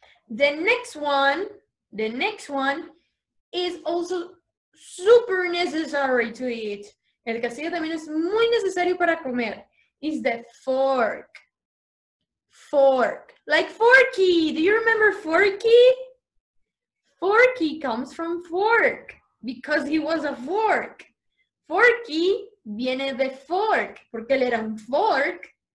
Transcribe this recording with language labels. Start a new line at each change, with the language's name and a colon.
English: The next one is also super necessary to eat.
Spanish: El cuchillo también es muy necesario para comer.
English: Is the fork. Fork. Like Forky. Do you remember Forky? Forky comes from fork because he was a fork.
Spanish: Forky viene de fork porque él era un fork.